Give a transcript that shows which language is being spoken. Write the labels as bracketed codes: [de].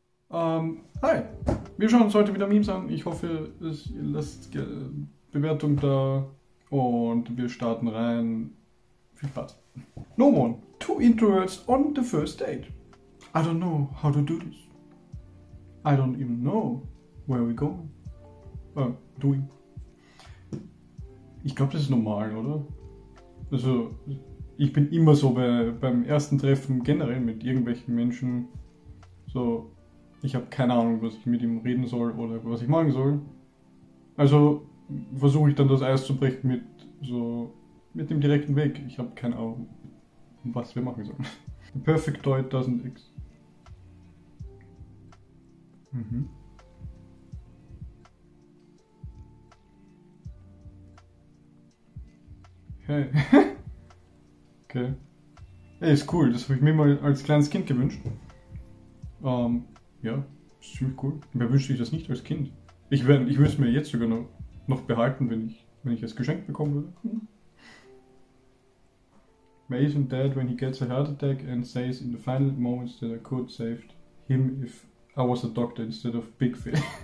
[de] Hi, wir schauen uns heute wieder Memes an. Ich hoffe, ihr lasst Bewertung da und wir starten rein. Viel Spaß. [en] No one, two introverts on the first date. I don't know how to do this. I don't even know where we're going. Doing. [de] Ich glaube, das ist normal, oder? Also, ich bin immer so beim ersten Treffen generell mit irgendwelchen Menschen. So, ich habe keine Ahnung, was ich mit ihm reden soll oder was ich machen soll. Also versuche ich dann das Eis zu brechen mit dem direkten Weg. Ich habe keine Ahnung, was wir machen sollen. [en] The perfect date doesn't exist. [de] Hey. Okay. Ey, ist cool. Das habe ich mir mal als kleines Kind gewünscht. Ja, ist ziemlich cool. Wer wünscht sich das nicht als Kind? Ich würde es mir jetzt sogar noch behalten, wenn ich es geschenkt bekommen würde. [en] May isn't dead when he gets a heart attack and says in the final moments that I could save him if I was a doctor instead of Big Phil.